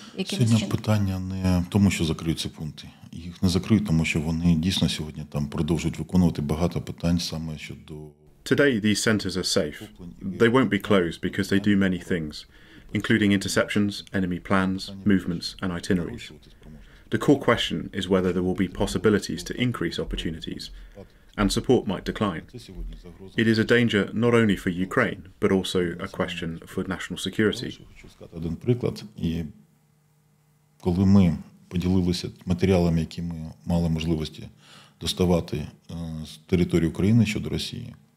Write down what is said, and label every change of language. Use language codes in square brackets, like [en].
[uk] Сьогодні питання не в тому, що закриються пункти. Їх не закриють, тому що вони дійсно сьогодні там продовжують виконувати багато питань саме щодо [en] Today these centers are safe. They won't be closed because they do many things. Including interceptions, enemy plans, movements, and itineraries. The core question is whether there will be possibilities to increase opportunities, and support might decline. It is a danger not only for Ukraine, but also a question for national security. [uk] Один приклад, і коли ми поділилися матеріалами, які ми мали можливості доставати з території України щодо Росії,